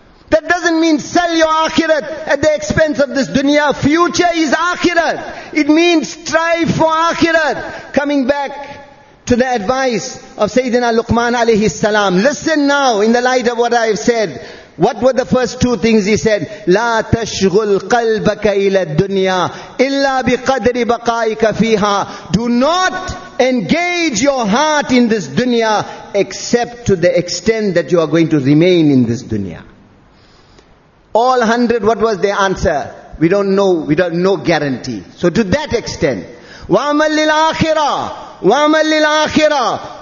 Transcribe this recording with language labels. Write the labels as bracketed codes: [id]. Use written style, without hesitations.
[en] That doesn't mean sell your akhirat at the expense of this dunya. Future is akhirat. It means strive for akhirat. Coming back to the advice of Sayyidina Luqman alayhi salam. Listen now in the light of what I have said. What were the first two things he said? [ar] لا تشغل قلبك إلى الدنيا إلا بقدر بقائك فيها. [en] Do not engage your heart in this dunya except to the extent that you are going to remain in this dunya. All 100, what was their answer? We don't know, we don't have no guarantee. So to that extent. [ar] وَعْمَلْ لِلْآخِرَةِ وَعْمَلْ لِلْآخِرَةِ.